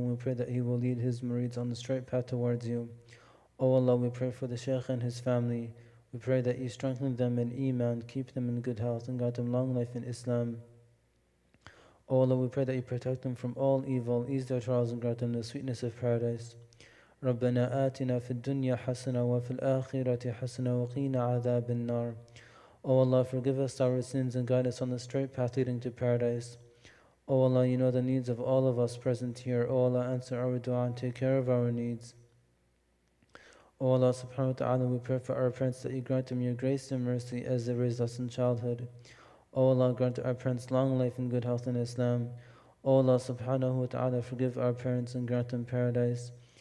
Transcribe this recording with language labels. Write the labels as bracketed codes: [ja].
[en] We pray that he will lead his murids on the straight path towards you. O Allah, we pray for the Shaykh and his family. We pray that you strengthen them in Iman, keep them in good health, and grant them long life in Islam. O Allah, we pray that you protect them from all evil, ease their trials, and grant them the sweetness of paradise. [ar] ربنا آتنا في الدنيا حسنة وفي الآخرة حسنة وقينا عذاب النار. [en] O Allah, forgive us our sins and guide us on the straight path leading to paradise. O Allah, you know the needs of all of us present here. O Allah, answer our dua and take care of our needs. O Allah, subhanahu wa ta'ala, we pray for our parents that you grant them your grace and mercy as they raised us in childhood. O Allah, grant our parents long life and good health in Islam. O Allah, subhanahu wa ta'ala, forgive our parents and grant them paradise.